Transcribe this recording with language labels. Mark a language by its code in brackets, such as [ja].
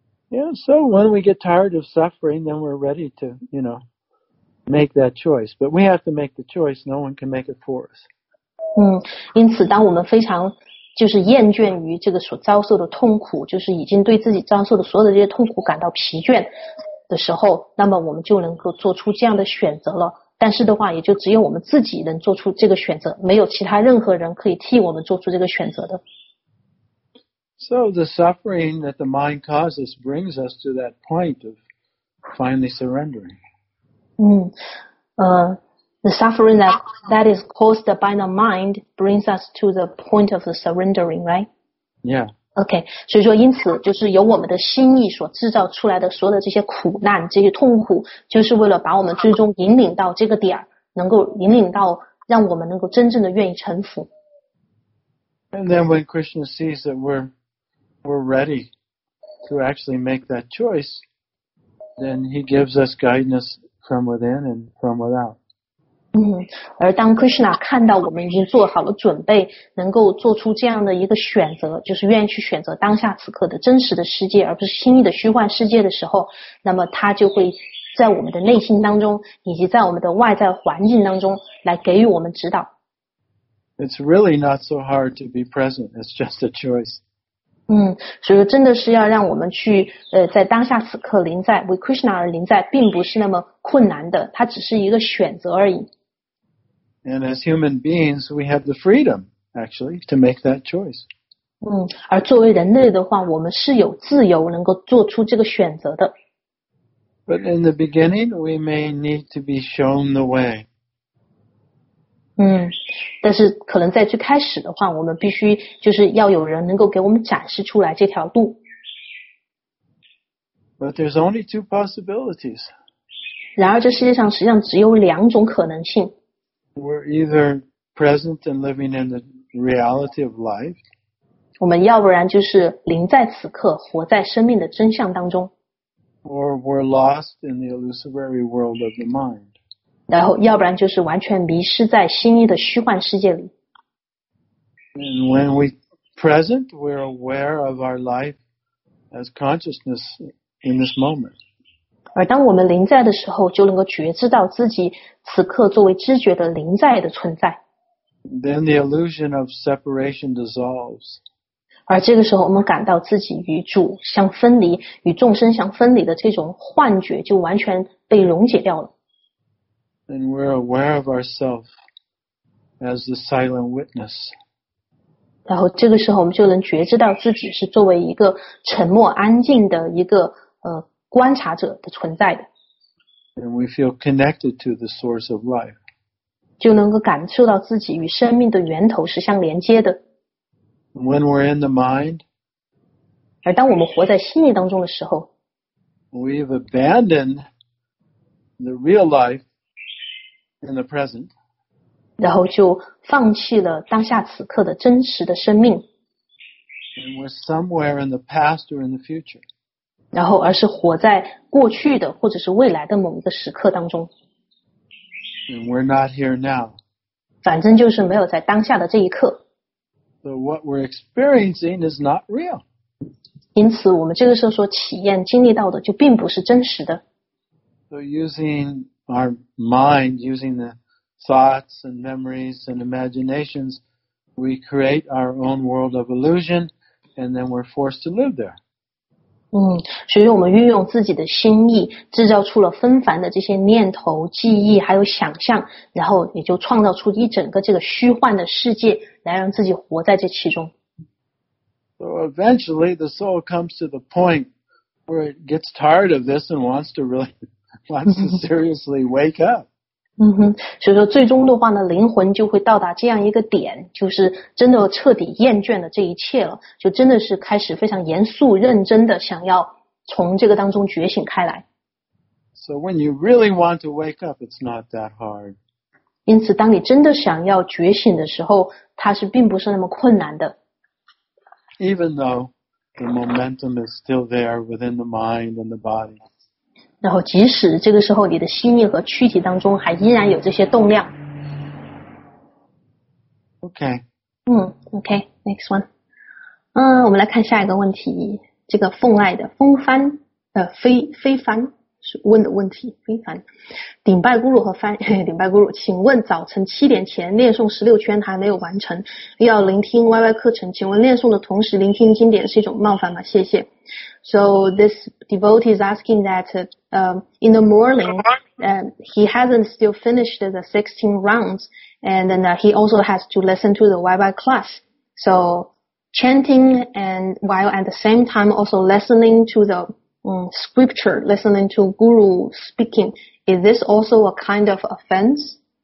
[en] Yeah, so when we get tired of suffering, then we're ready to, you know, make that choice. But we have to make the choice. No one can make it for us. [zh] 因此当我们非常就是厌倦于这个所遭受的痛苦，就是已经对自己遭受的所有的这些痛苦感到疲倦的时候，那么我们就能够做出这样的选择了。但是的话，也就只有我们自己能做出这个选择，没有其他任何人可以替我们做出这个选择的。 [en] So the suffering that the mind causes brings us to that point of finally surrendering. The suffering that is caused by the mind brings us to the point of the surrendering, right? Yeah. Okay. [zh] 所以说因此就是由我们的心意所制造出来的所有的这些苦难，这些痛苦，就是为了把我们最终引领到这个点，能够引领到让我们能够真正的愿意臣服。 [en] And then when Krishna sees that we're ready to actually make that choice, then he gives us guidance from within and from without. [zh] 而当 Krishna 看到我们已经做好了准备，能够做出这样的一个选择，就是愿意去选择当下此刻的真实的世界，而不是轻易的虚幻世界的时候，那么他就会在我们的内心当中，以及在我们的外在环境当中来给予我们指导。 [en] It's really not so hard to be present. It's just a choice. [zh] 所以说真的是要让我们去在当下此刻临在，为 Krishna 而临在，并不是那么困难的，它只是一个选择而已。 [en] And as human beings, we have the freedom, actually, to make that choice. [zh] 而作为人类的话，我们是有自由能够做出这个选择的。 [en] But in the beginning, we may need to be shown the way. [zh] 但是可能在最开始的话，我们必须就是要有人能够给我们展示出来这条路。 [en] But there's only two possibilities. [zh] 然而这世界上实际上只有两种可能性。 [en] We're either present and living in the reality of life. [zh] 我们要不然就是临在此刻，活在生命的真相当中。 [en] Or we're lost in the illusory world of the mind. [zh] 然后要不然就是完全迷失在心意的虚幻世界里。 [en] And when we present, we're aware of our life as consciousness in this moment. [zh] 而当我们临在的时候，就能够觉知到自己此刻作为知觉的临在的存在。 [en] Then the illusion of separation dissolves. [zh] 而这个时候我们感到自己与主相分离，与众生相分离的这种幻觉就完全被溶解掉了。 [en] And we're aware of ourselves as the silent witness. [zh] 然后这个时候我们就能觉知到自己是作为一个沉默安静的一个观察者的存在的。 [en] And we feel connected to the source of life. [zh] 就能够感受到自己与生命的源头是相连接的。 [en] When we're in the mind, [zh] 而当我们活在心意当中的时候， [en] we've abandoned the real life. In the present. [zh] 然后就放弃了当下此刻的真实的生命。 [en] And we're somewhere in the past or in the future. [zh] 然后而是活在过去的或者是未来的某一个时刻当中。 [en] And we're not here now. [zh] 反正就是没有在当下的这一刻。 [en] So what we're experiencing is not real. [zh] 因此我们这个时候所体验经历到的就并不是真实的。 [en] So using our mind, using the thoughts and memories and imaginations, we create our own world of illusion, and then we're forced to live there. [zh] 所以我们运用自己的心意，制造出了纷繁的这些念头、记忆，还有想象，然后也就创造出一整个这个虚幻的世界，来让自己活在这其中。 [en] So eventually, the soul comes to the point where it gets tired of this and wants to really...wants to seriously wake up. [zh] 所以说最终的话呢，灵魂就会到达这样一个点，就是真的彻底厌倦了这一切了，就真的是开始非常严肃认真的想要从这个当中觉醒开来。 [en] So when you really want to wake up, it's not that hard. [zh] 因此当你真的想要觉醒的时候，它是并不是那么困难的。 [en] Even though the momentum is still there within the mind and the body. [zh] 然后即使这个时候你的心意和躯体当中还依然有这些动量。 [en] OK. OK, next one. [zh] 我们来看下一个问题。这个凤爱的风帆非凡是问的问题，非凡。顶拜咕噜和翻顶拜咕噜，请问早晨七点前念诵十六圈还没有完成，要聆听 YY 课程，请问念诵的同时聆听经典是一种冒犯吗？谢谢。 [en] So this devotee is asking that in the morning, he hasn't still finished the 16 rounds, and then he also has to listen to the YY class. So chanting and while at the same time also listening to the scripture, listening to guru speaking, is this also a kind of offense?